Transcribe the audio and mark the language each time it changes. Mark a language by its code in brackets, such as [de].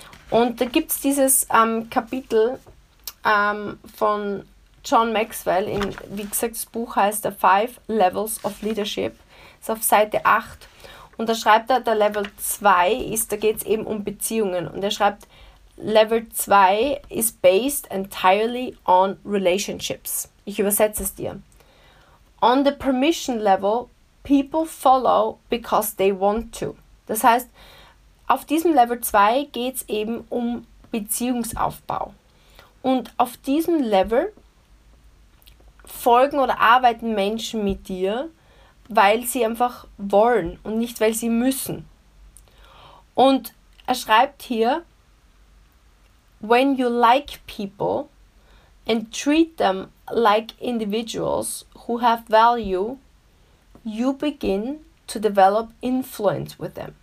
[de] Und da gibt es dieses Kapitel von John Maxwell in, wie gesagt, das Buch heißt The 5 Levels of Leadership, ist auf Seite 8 und da schreibt er, der [en] Level 2 ist, da geht es eben um Beziehungen und er schreibt, Level 2 is based entirely on relationships. [de] Ich übersetze es dir. [en] On the permission level, people follow because they want to. [de] Das heißt, auf diesem Level 2 geht es eben um Beziehungsaufbau. Und auf diesem Level folgen oder arbeiten Menschen mit dir, weil sie einfach wollen und nicht, weil sie müssen. Und er schreibt hier, [en] when you like people and treat them like individuals who have value, you begin to develop influence with them.